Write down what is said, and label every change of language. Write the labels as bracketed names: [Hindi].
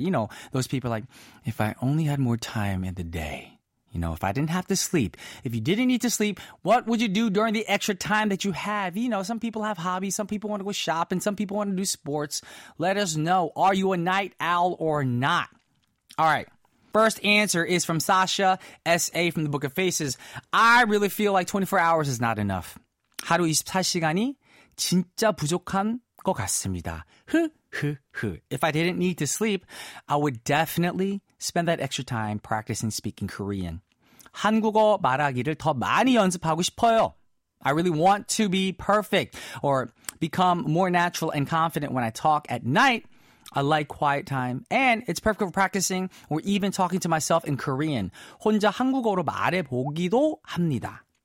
[English] You know, those people like, if I only had more time in the day, you know, if I didn't have to sleep, if you didn't need to sleep, what would you do during the extra time that you have? You know, some people have hobbies, some people want to go shopping, some people want to do sports. Let us know, are you a night owl or not? All right. First answer is from Sasha S.A. from the Book of Faces. I really feel like 24 hours is not enough. [Korean] 하루 24시간이 진짜 부족한 것 같습니다. [English] If I didn't need to sleep, I would definitely spend that extra time practicing speaking Korean. [Korean] 한국어 말하기를 더 많이 연습하고 싶어요. [English] I really want to be perfect or become more natural and confident when I talk at night. I like quiet time, and it's perfect for practicing or even talking to myself in Korean. [Korean] 혼자 한국어로 말해보기도 합니다.